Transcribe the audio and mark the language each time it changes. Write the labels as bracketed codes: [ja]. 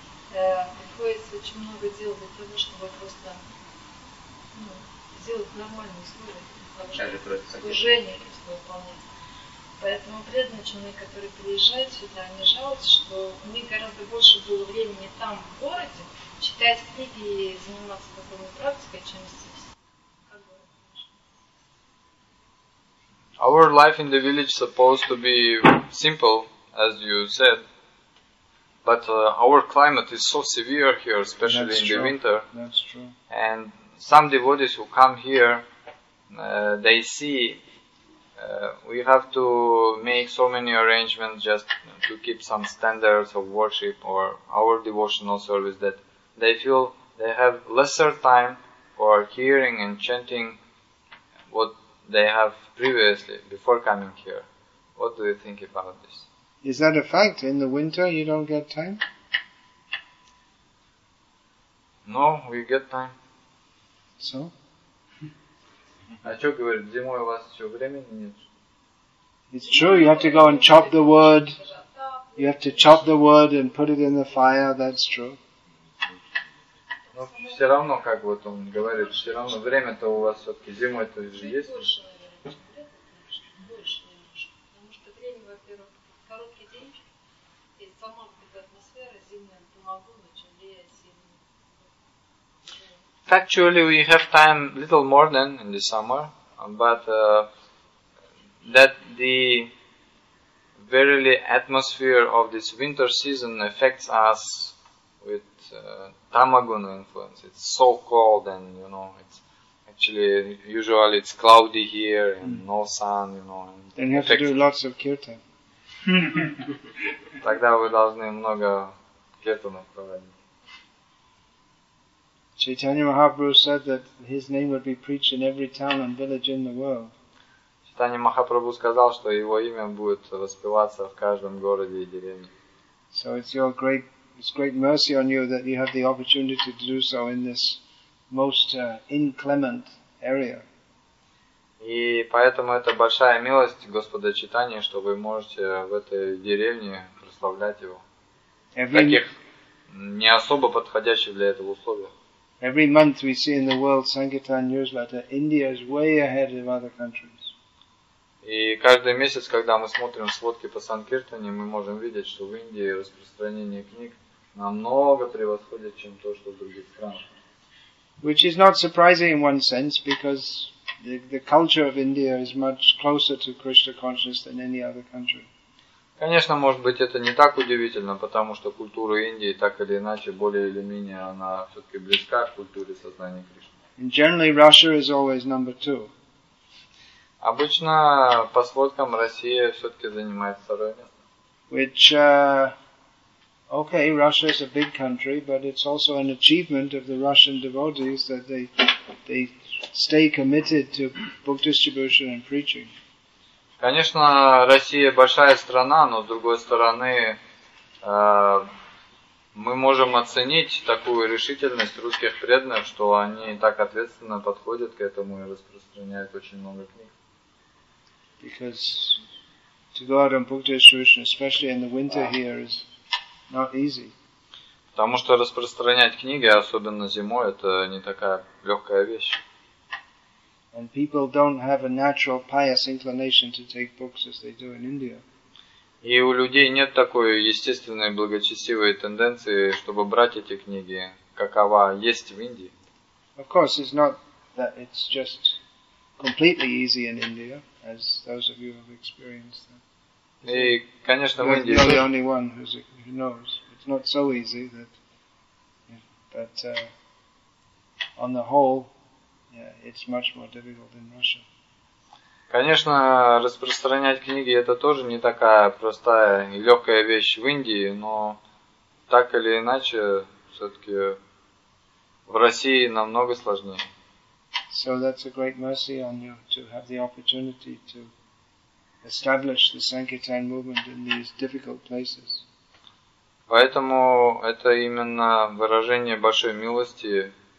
[ru] Приходится очень много дел для того, чтобы просто сделать нормальные условия, служение просто выполнять. Поэтому предначальные, которые приезжают сюда, они жалуются, что у них гораздо больше было времени там, в городе, читать книги и заниматься такой практикой, чем здесь. [en] Our life in the village supposed to be simple, as you said. But our climate is so severe here, especially That's in true. The winter. That's true. And some devotees who come here, they see we have to make so many arrangements just to keep some standards of worship or our devotional service that they feel they have lesser time for hearing and chanting what they have previously, before coming here. What do you think about this? Is that a fact? In the winter you don't get time? No, we get time. So? [ru] А что говорит, зимой у вас еще времени нет? [en] It's true, you have to go and chop the wood. You have to chop the wood and put it in the fire, that's true. [ru] Но все равно, как вот он говорит, все равно время-то у вас все-таки зимой-то же есть. Больше, наверное, больше немножко. Потому что время, во-первых, короткий день, и сама атмосфера зимняя помогла, чем влияет зимой. [en] Actually, we have time little more than in the summer, but that the very atmosphere of this winter season affects us with tamaguna influence. It's so cold and, it's actually, usually it's cloudy here and no sun, And then you have to do lots of kirtan. [ru] Тогда вы должны много кертанов проводить. [en] Chaitanya Mahaprabhu said that his name would be preached in every town and village in the world. [ru] Chaitanya Mahaprabhu сказал, что его имя будет воспеваться в каждом городе и деревне. [en] So it's great mercy on you that you have the opportunity to do so in this most inclement area. [ru] И поэтому это большая милость Господа Чайтаньи, что вы можете в этой деревне прославлять его. В таких не особо подходящих для этого условиях. [en] Every month we see in the World Sankirtan newsletter, India is way ahead of other countries. [ru] И каждый месяц, когда мы смотрим сводки по Санкиртане, мы можем видеть, что в Индии распространение книг намного превосходит, чем то, что в других странах. [en] Which is not surprising in one sense, because the culture of India is much closer to Krishna consciousness than any other country. [ru] Конечно, может быть, это не так удивительно, потому что культура Индии, так или иначе, более или менее, она все-таки близка к культуре сознания Кришны. [en] And generally, Russia is always number two. [ru] Обычно, по сводкам, Россия все-таки занимает второе место. [en] Which, Russia is a big country, but it's also an achievement of the Russian devotees that they stay committed to book distribution and preaching. [ru] Конечно, Россия большая страна, но с другой стороны, мы можем оценить такую решительность русских преданных, что они так ответственно подходят к этому и распространяют очень много книг. [en] Because to go out on book distribution, especially in the winter here, is not easy. [ru] Потому что распространять книги, особенно зимой, это не такая легкая вещь. [en] And people don't have a natural pious inclination to take books as they do in India. [ru] И у людей нет такой естественной благочестивой тенденции, чтобы брать эти книги, какова есть в Индии. [en] Of course, it's not that it's just completely easy in India, as those of you have experienced. That. [ru] И, конечно, в Индии. [en] You're the only one who knows. It's not so easy that, but on the whole. Yeah, it's much more difficult than Russia. [ru] Конечно, распространять книги это тоже не такая простая и легкая вещь в Индии, но так или иначе, все-таки в России намного сложнее. [en] So that's a great mercy on you to have the opportunity to establish the Sankirtan movement in these difficult places. [ru] Поэтому это именно выражение большой милости.